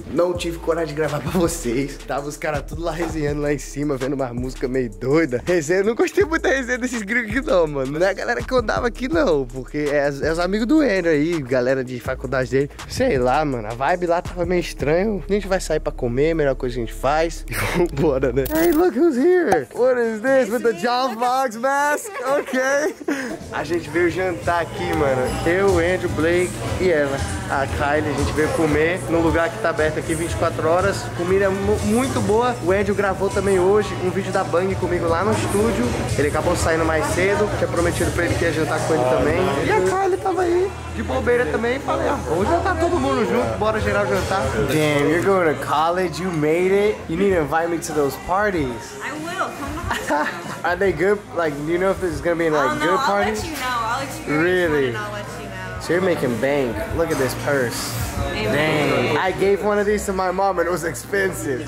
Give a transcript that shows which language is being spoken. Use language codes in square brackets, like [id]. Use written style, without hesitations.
[pt] Não tive coragem de gravar pra vocês. Tava os caras tudo lá resenhando lá em cima, vendo umas músicas meio doidas. Resenha, eu não gostei muito da resenha desses gringos aqui, não, mano. Não é a galera que eu andava aqui, não. Porque é os amigos do Henry aí, galera de faculdade dele. Sei lá, mano. A vibe lá tava meio estranho. A gente vai sair pra comer, melhor coisa que a gente faz. Vambora, né? [en] Hey, look who's here. What is this with the John Fox mask? Okay. [pt] A gente veio jantar aqui, mano. Eu, Andrew, Blake e ela. A Kylie, a gente veio comer num lugar que tá aberto aqui 24 horas. Comida muito boa. O Andrew gravou também hoje um vídeo da Bang comigo lá no estúdio. Ele acabou saindo mais cedo. Tinha prometido pra ele que ia jantar com ele também. E a Kylie tava aí de bobeira também. Falei, ah, hoje já tá todo mundo junto. Bora geral jantar. [en] Damn, you're going to college. You made it. You need to invite me to those parties. I will. Come on. Are they good? Like, do you know if this is going to be a like, good party? I'll let you know. I'll experience really? And I'll let you know. So you're making bank. Look at this purse. Dang. I gave one of these to my mom and it was expensive.